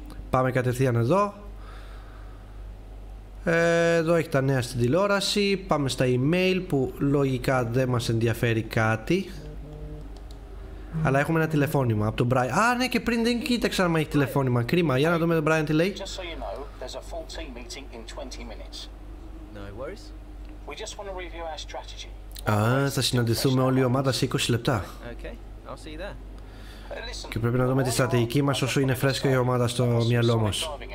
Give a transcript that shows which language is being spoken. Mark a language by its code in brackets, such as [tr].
[el] Πάμε κατευθείαν εδώ. Εδώ έχει τα νέα στην τηλεόραση. Πάμε στα email που λογικά δεν μας ενδιαφέρει κάτι. Αλλά έχουμε ένα τηλεφώνημα από τον Brian. Α, ναι, και πριν δεν κοίταξα αν έχει τηλεφώνημα. Κρίμα, για να δούμε τον Brian τι λέει. [en] Just so you know, there's a full team meeting in 20 minutes. No worries. We just want to review our strategy. [el] Α, θα συναντηθούμε όλη η ομάδα σε 20 λεπτά. [en] Okay, I'll see you there. [el] Και πρέπει να δούμε τη στρατηγική μας όσο είναι φρέσκα η ομάδα στο μυαλό μας.